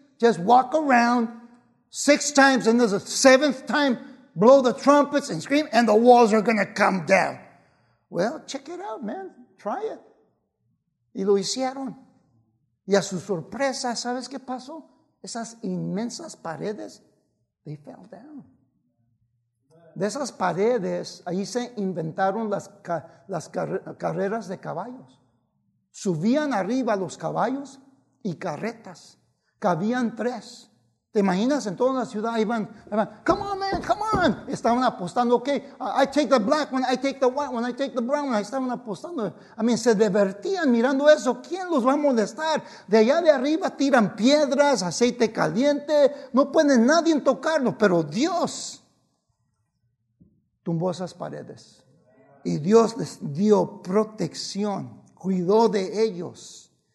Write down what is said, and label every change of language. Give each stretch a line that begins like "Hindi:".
English: Just walk around 6 times and there's a 7th time. Blow the trumpets and scream, and the walls are going to come down. Well, check it out, man. Try it.
Spanish: Y lo hicieron. Y a su sorpresa, ¿sabes qué pasó? Esas inmensas paredes,
English: they fell down.
Spanish: De esas paredes, ahí se inventaron las carreras de caballos. Subían arriba los caballos y carretas. Cabían 3. ¿Te imaginas? En toda la ciudad iban,
English: come on, man, come on.
Spanish: Estaban apostando,
English: ok, I take the black one, I take the white one, I take the brown one.
Spanish: Estaban apostando. I mean, se divertían mirando eso. ¿Quién los va a molestar? De allá de arriba tiran piedras, aceite caliente. No puede nadie tocarlo, pero Dios tumbó esas paredes. Y Dios les dio protección, cuidó de ellos.